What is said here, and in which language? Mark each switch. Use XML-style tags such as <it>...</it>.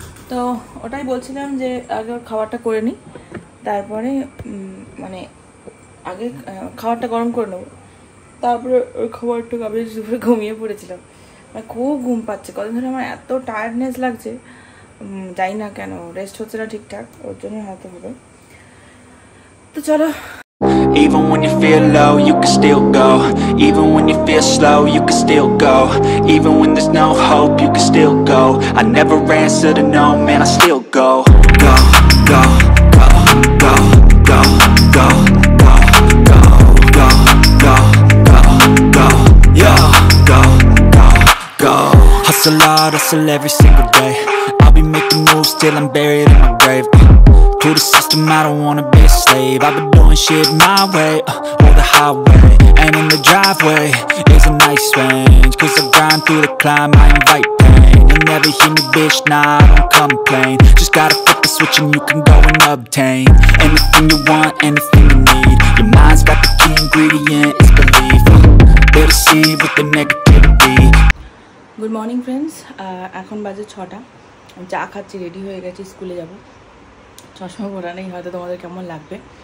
<bn>তো ওটাই বলছিলাম যে আগে খাবারটা করে নিই, তারপরে মানে আগে খাবারটা গরম করে নেবো, তারপরে ওই খাবারটা আমি দুপুরে ঘুমিয়ে পড়েছিলাম, মানে খুব ঘুম পাচ্ছে, কদিন ধরে আমার এত টায়ার্ডনেস লাগছে, যাই না কেন রেস্ট হচ্ছে না ঠিকঠাক, ওর জন্য হাতে হবে। তো চলো,</bn> <en>even when you feel low you can still go, even when you feel slow you can still go, even when there's no hope you can still go, I never answer to no man I still go, go go go go go go go go go go go go go go go go hustle hard hustle every single day, I'll be making moves till I'm buried in my grave, to the system I don't wanna be a slave, I've been doing shit my way, or the highway, and in the driveway is a nice range, cause I grind through the climb, I invite pain, you'll never hear me bitch, nah I don't complain, just gotta flip the switch and you can go and obtain, anything you want, anything you need, your mind's got the key ingredient, it's belief, better see with the negativity. Good morning friends,</en> <bn>এখন বাজে 6:00, আমি চা খাচ্ছি, ready হয়ে গেছি, স্কুলে যাবো, চশমা পরা নেই, হয়তো তোমাদের কেমন লাগবে।</bn>